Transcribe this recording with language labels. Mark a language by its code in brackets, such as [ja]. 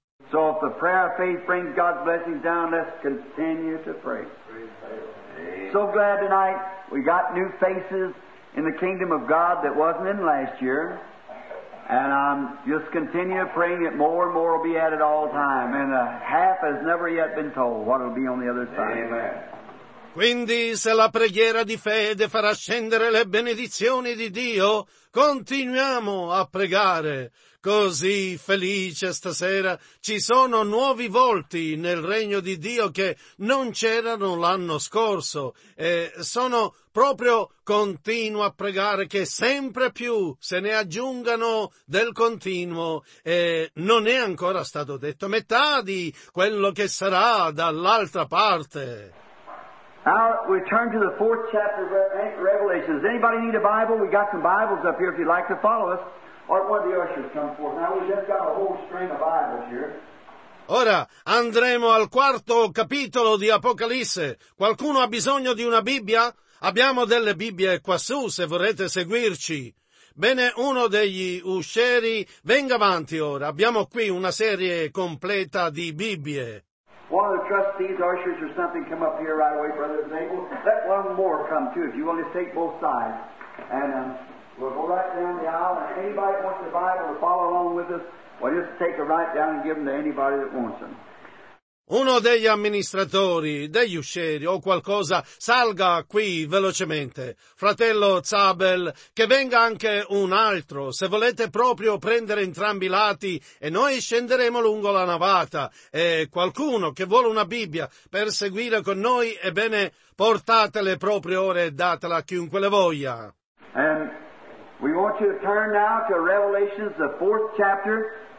[en] So if the prayer of faith brings God's blessings down, let's continue to pray. So glad tonight we got new faces in the kingdom of God that wasn't in last year. And I'm just continuing praying that more and more will be added all the time. And a half has never yet been told what will be on the other side. Amen. [it] Quindi se la preghiera di fede farà scendere le benedizioni di Dio, continuiamo a pregare. Così felice stasera ci sono nuovi volti nel regno di Dio che non c'erano l'anno scorso e sono proprio continuo a pregare che sempre più se ne aggiungano del continuo e non è ancora stato detto metà di quello che sarà dall'altra parte. [en] Now we turn to the fourth chapter of Revelation. Does anybody need a Bible? We got some Bibles up here if you'd like to follow us. Or one of the ushers come forth. Now we've just got a whole string of Bibles here. [it] Ora andremo al quarto capitolo di Apocalisse. Qualcuno ha bisogno di una Bibbia? Abbiamo delle Bibbie quassù se vorrete seguirci. Bene, uno degli uscieri, venga avanti ora. Abbiamo qui una serie completa di Bibbie. [en] One of the trustees, ushers, or something, come up here right away, Brother Zabel. Let one more come too, if you want to take both sides. And we'll go right down the aisle. And anybody wants the Bible to follow along with us, we'll just take it right down and give them to anybody that wants them. [it] Uno degli amministratori, degli usceri o qualcosa, salga qui velocemente. Fratello Zabel, che venga anche un altro, se volete proprio prendere entrambi i lati e noi scenderemo lungo la navata. E qualcuno che vuole una Bibbia per seguire con noi, ebbene portatele proprio ora e datela a chiunque le voglia. [en] And we want you to turn now to Revelation, the fourth chapter.